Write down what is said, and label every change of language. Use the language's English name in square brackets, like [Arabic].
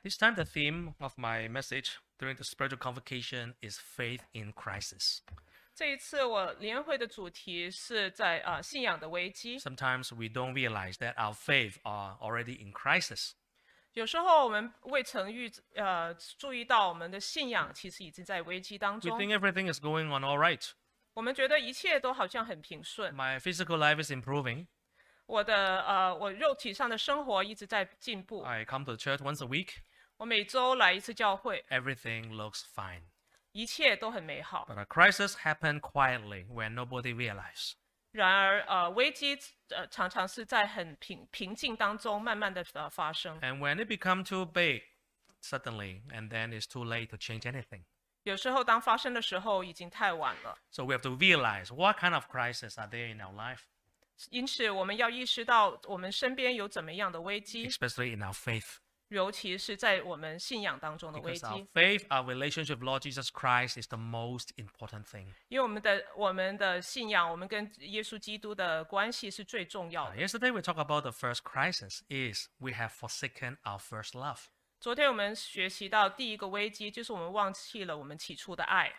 [English] This time the theme of my message during the spiritual convocation is faith in crisis. [Chinese] 这一次我联会的主题是在, [English] Sometimes we don't realize that our faith are already in crisis. [Chinese] 有时候我们未曾预, 注意到我们的信仰其实已经在危机当中. [English] We think everything is going on all right. [Chinese] 我们觉得一切都好像很平顺. [English] My physical life is improving. [Chinese] 我的, 我肉体上的生活一直在进步。 [English] I come to church once a week. [Chinese] 我每周来一次教会。 [English] Everything looks fine. [Chinese] 一切都很美好。 [English] But a crisis happened quietly where nobody realized. [Chinese] 然而, 危机, 常常是在很平静当中, 慢慢地, 发生。 [English] And when it becomes too big, suddenly, and then it's too late to change anything. [Chinese] 有时候当发生的时候, [English] so we have to realize what kind of crisis are there in our life. [Chinese] 因此我们要意识到我们身边有怎么样的危机, [English] especially in our faith. [Chinese] 尤其是在我们信仰当中的危机。 [English] Because our faith, our relationship with Lord Jesus Christ is the most important thing. [Chinese] 因为我们的信仰, 我们跟耶稣基督的关系是最重要的。 [English] Yesterday we talked about the first crisis is we have forsaken our first love. [Chinese] 昨天我们学习到第一个危机, 就是我们忘记了我们起初的爱。